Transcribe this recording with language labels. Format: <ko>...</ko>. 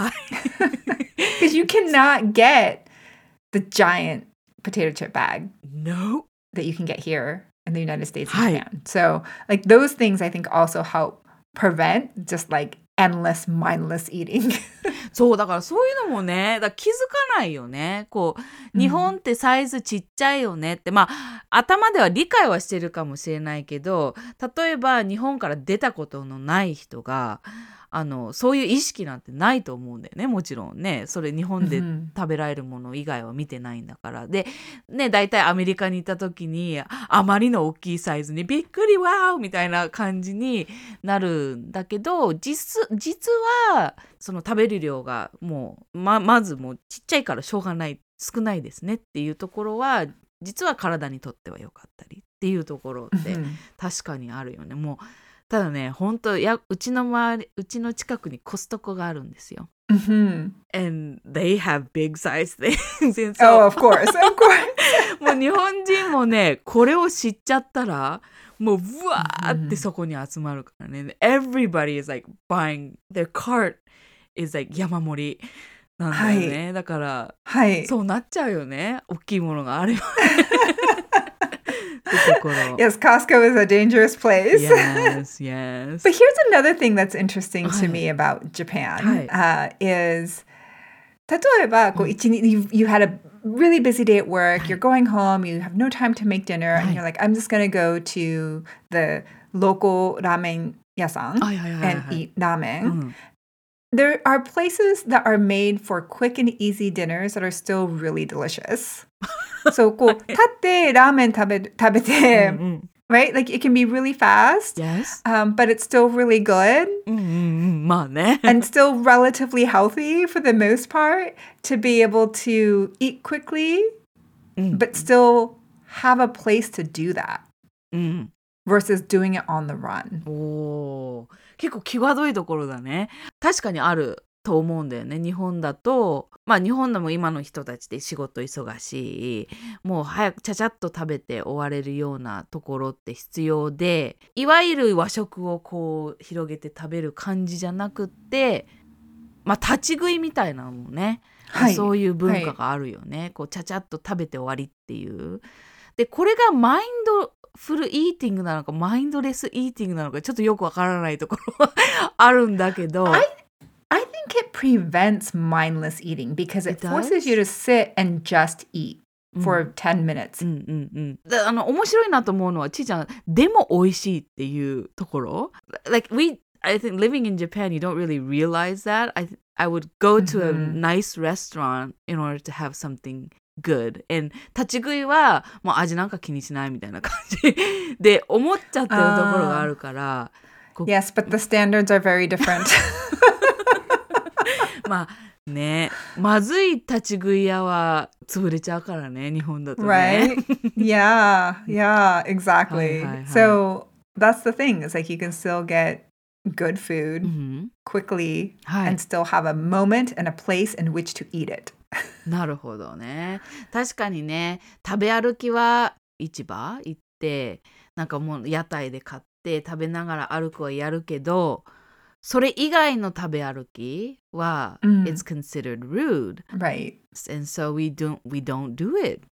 <en>Because you cannot get the giant potato chip bag that you can get here in the United States and Japan. So like those things, I think, also help prevent just like,endless, mindless eating.</en> <ja>そうだからそういうのもね、だから気づかないよね。こう日本ってサイズちっちゃいよねって、まあ頭では理解はしてるかもしれないけど、例えば日本から出たことのない人が、あのそういう意識なんてないと思うんだよね。もちろんね、それ日本で食べられるもの以外は見てないんだから。でね、だいたいアメリカに行った時にあまりの大きいサイズにびっくりわーみたいな感じになるんだけど、実はその食べる量がもう まずもうちっちゃいからしょうがない、少ないですねっていうところは、実は体にとっては良かったりっていうところって確かにあるよね。もうただね、本当、や、うちの周り、うちの近くにコストコがあるんですよ。</ja> <en>And they have big size things. And so, oh, of course, of course.</en> <ja>もう日本人もね、これを知っちゃったら、もうブワーってそこに集まるからね。</ja> <en>Everybody is like buying, their cart is like</en> <ja>山盛りなんだよね。はい、だから、はい、そうなっちゃうよね。大きいものがあれば。</ja> <en>Yes, Costco is a dangerous place. Yes, yes. But here's another thing that's interesting to me about Japan. Is,</en> <ja>例えば、こう、一日、</ja> <en>you had a really busy day at work, you're going home, you have no time to make dinner, and you're like, I'm just going to go to the local ramen 屋さん and eat ramen. There are places that are made for quick and easy dinners that are still really delicious.</en> <ja>So, こう立ってラーメン食べて right?</ja> <en>Like, it can be really fast. Yes. But it's still really good.</en> <ja>まあね。</ja> <en>And still relatively healthy for the most part to be able to eat quickly, but still have a place to do that versus doing it on the run.</en> <ja>おー。結構際どいところだね。確かにある。と思うんだよね。日本だと、まあ日本でも今の人たちで仕事忙しい、もう早くちゃちゃっと食べて終われるようなところって必要で、いわゆる和食をこう広げて食べる感じじゃなくって、まあ立ち食いみたいなのもね、はい、そういう文化があるよね。はい、こうちゃちゃっと食べて終わりっていう。で、これがマインドフルイーティングなのかマインドレスイーティングなのかちょっとよくわからないところあるんだけど。</ja> <en>I think it prevents mindless eating because it forces you to sit and just eat for 10 minutes.</en> <ja>あの、面白いなと思うのは、ちーちゃん、でも美味しいっていうところ。</ja> <en>Like, I think living in Japan, you don't really realize that. I would go to a nice restaurant in order to have something good.</en> <ja>And 立ち食いは、もう味なんか気にしないみたいな感じで思っちゃってるところがあるから。</ja> <en>Yes, but the standards are very different.</en> <ja>まあね、まずい立ち食い屋は潰れちゃうからね、日本だとね。</ja> <en>Right? Yeah, yeah, exactly. はいはい、はい、so that's the thing. It's like you can still get good food quickly and still have a moment and a place in which to eat it.</en> <ja>なるほどね。確かにね、食べ歩きは市場行って、なんかもう屋台で買って食べながら歩くはやるけど、それ以外の食べ歩きは、mm.</ja> <en>it's considered rude. Right. And so we don't do it.</en>